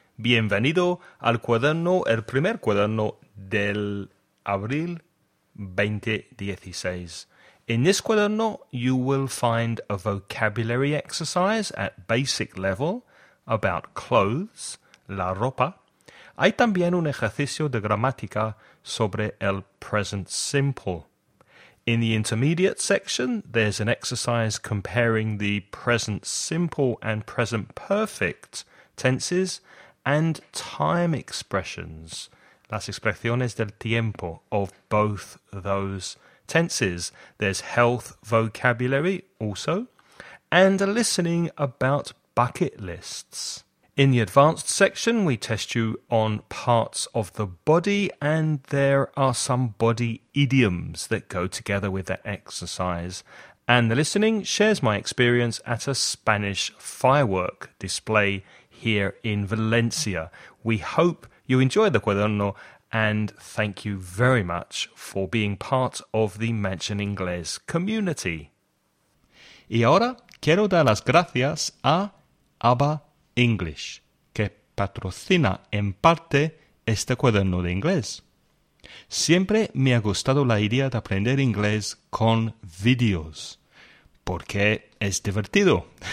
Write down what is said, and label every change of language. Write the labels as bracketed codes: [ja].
[es] Bienvenido al cuaderno, el primer cuaderno del abril 2016. [en] In this cuaderno, you will find a vocabulary exercise at basic level about clothes, [es] la ropa. Hay también un ejercicio de gramática sobre el present simple. [en] In the intermediate section, there's an exercise comparing the present simple and present perfect tenses and time expressions, [es] las expresiones del tiempo, [en] of both those tenses. There's health vocabulary also, and a listening about bucket lists. In the advanced section, we test you on parts of the body, and there are some body idioms that go together with that exercise. And the listening shares my experience at a Spanish firework display here in Valencia. We hope you enjoy the cuaderno, and thank you very much for being part of the Mansion Inglés community. [es] Y ahora quiero dar las gracias a ABBA English, que patrocina en parte este cuaderno de inglés. Siempre me ha gustado la idea de aprender inglés con vídeos, porque es divertido.